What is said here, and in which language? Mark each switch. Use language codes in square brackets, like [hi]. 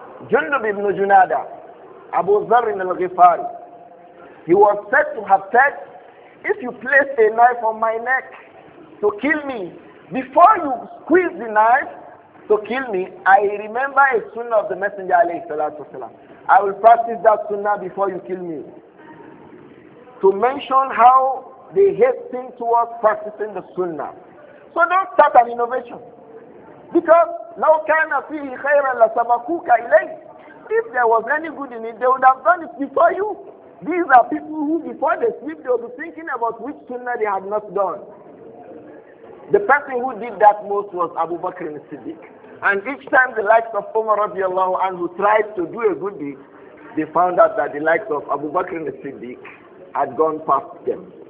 [en] Jundub ibn Junada, Abu Zarr ibn al-Ghifari, he was said to have said, if you place a knife on my neck to kill me, before you squeeze the knife to kill me, I remember a sunnah of the Messenger alayhi salatu wasalam. I will practice that sunnah before you kill me. To mention how they hasten towards practicing the sunnah. So don't start an innovation. Because [ar] لَوْ كَانَ فِيهِ خَيْرًا لَسَبَقُوكَ إِلَيْهِ. [en] If there was any good in it, they would have done it before you. These are people who before they sleep, they will be thinking about which sunnah they had not done. The person who did that most was Abu Bakr al-Siddiq. And each time the likes of Umar radiallahu anhu tried to do a good deed, they found out that the likes of Abu Bakr al-Siddiq had gone past them.